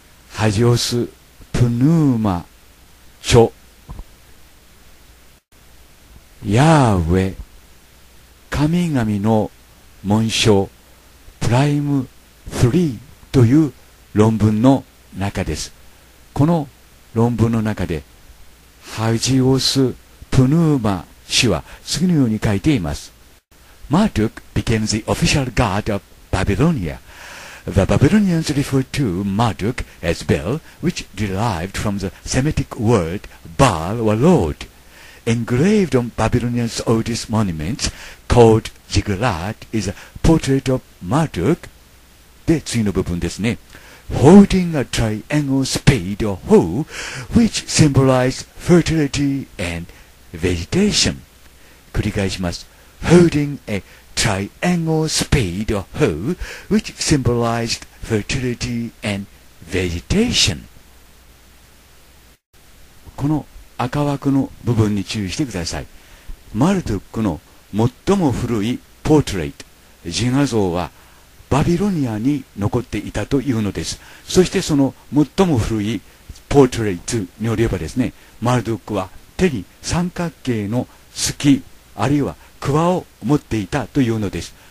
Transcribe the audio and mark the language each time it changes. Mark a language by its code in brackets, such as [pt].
[ja] ハジオス・プヌーマ著、ヤーウェ、神々の紋章プライム3という論文の中です。この論文の中でハジオス・プヌーマ氏は次のように書いています。 [en] Marduk became the official god of Babylonia. The Babylonians referred to Marduk as Bel, which derived from the Semitic word Baal or Lord. Engraved on Babylonians' oldest monuments, called Ziggurat, is a portrait of Marduk. [ja] で、次の部分ですね。 [en] Holding a triangle spade or hoe, which symbolizes fertility and vegetation. [ja] 繰り返します。 [en] Holding a triangle spade or hoe, which symbolizes fertility and vegetation. [ja] この赤枠の部分に注意してください。マルドックの最も古いポートレート、自画像は、バビロニアに残っていたというのです。そしてその最も古いポートレートによればですね、マルドックは手に三角形の鋤あるいは鍬を持っていたというのです。